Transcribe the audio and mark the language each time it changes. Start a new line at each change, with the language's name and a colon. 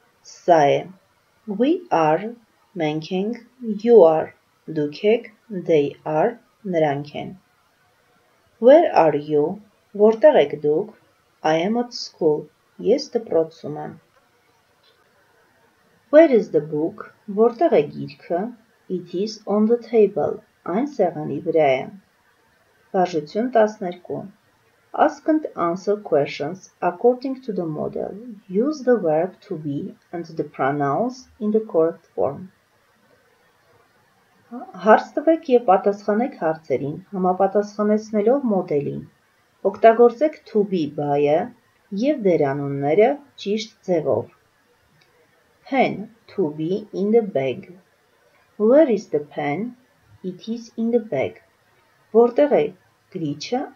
Armenian: սա է, we are, մենք ենք, you are, դուք եք, they are, նրանք են։
English: Where are you?
Armenian: Որտեղ եք դուք?
English: I am at school.
Armenian: Ես դպրոցում եմ։
English: Where is the book?
Armenian: Որտեղ է գիրքը?
English: It is on the table.
Armenian: Այն սեղանի վրա է։ Վարժություն 12.
English: Ask and answer questions according to the model. Use the verb to be and the pronouns in the correct form.
Armenian: Հարց տվեք և պատասխանեք հարցերին, համապատասխանեցնելով մոդելին։ Օգտագործեք to be բայը և դերանունները ճիշտ ձևով։
English: Pen to be in the bag. Where is the pen? It is in the bag.
Armenian: Որտեղ է գրիչը?